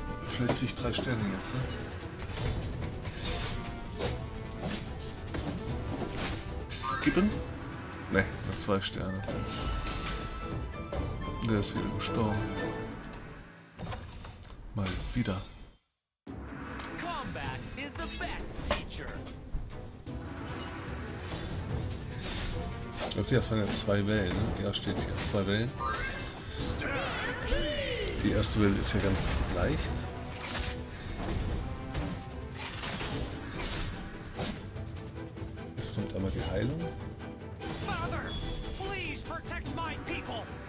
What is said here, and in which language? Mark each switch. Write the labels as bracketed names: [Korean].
[German] Vielleicht krieg ich drei Sterne jetzt, ne? Skippen? Ne, nur zwei Sterne. Der ist wieder gestorben. Mal wieder. [English] Combat is the best teacher. [German] Okay, das waren ja zwei Wellen, ne? Ja, steht hier. Zwei Wellen. Die erste Welle ist ja ganz leicht. Jetzt kommt einmal die Heilung. [English] Father, please protect my people.